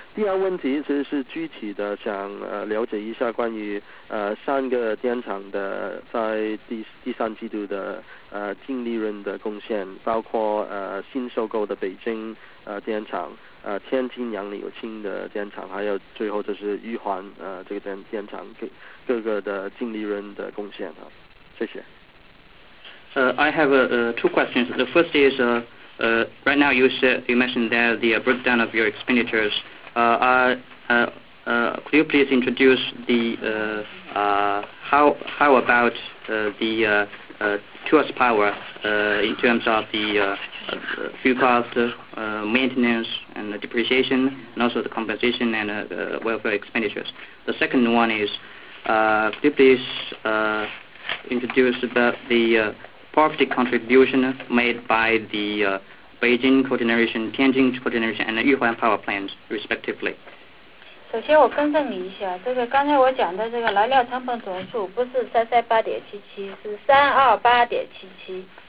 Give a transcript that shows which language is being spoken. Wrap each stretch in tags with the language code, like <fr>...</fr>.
<zh>第二问题其实是具体的想了解一下关于三个电厂的在第三季度的净利润的贡献，包括新收购的北京电厂。天津杨柳青的电厂，还有最后就是玉环这个电厂各个的净利润的贡献啊，谢谢。</zh> <en>I have two questions. The first is right now you mentioned that the breakdown of your expenditures. Could you please introduce the how about the tools power in terms of the fuel cost, maintenance and the depreciation, and also the compensation and welfare expenditures. The second one is, could you please introduce about the profit contribution made by the Beijing cogeneration, Tianjin cogeneration, and the Yuhuan power plants, respectively?</en> <zh>首先我更正你一下，这个刚才我讲的这个燃料成本总数不是338.77，是328.77。</zh>